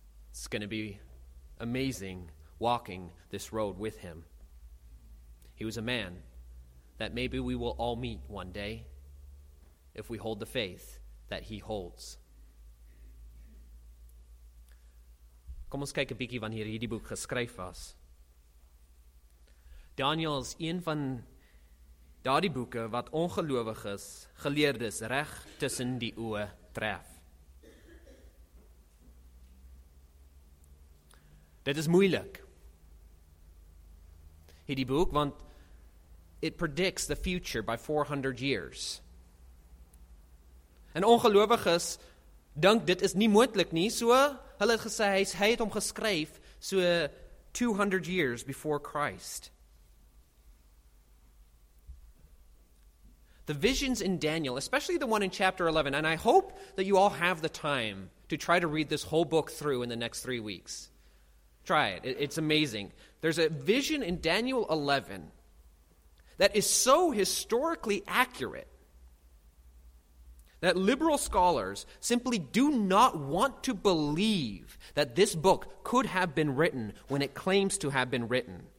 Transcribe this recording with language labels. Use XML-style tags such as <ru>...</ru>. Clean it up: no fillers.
<en>It's going to be amazing walking this road with him. He was a man that maybe we will all meet one day if we hold the faith that he holds.</en> <af>Kom ons kyk 'n bietjie wanneer hierdie boek geskryf was. Daniel is een van daardie boeke wat ongelowiges, geleerdes reg tussen die oë tref. Dit is moeilik. Hierdie boek, want</af> <en>it predicts the future by 400 years.</en> <af>En ongelowiges dink dit is nie moontlik nie, so hulle het gesê hy het hom geskryf so 200</af> <en>years before Christ. The visions in Daniel, especially the one in chapter 11, and I hope that you all have the time to try to read this whole book through in the next 3 weeks. Try it. It's amazing. There's a vision in Daniel 11 that is so historically accurate that liberal scholars simply do not want to believe that this book could have been written when it claims to have been written.</en>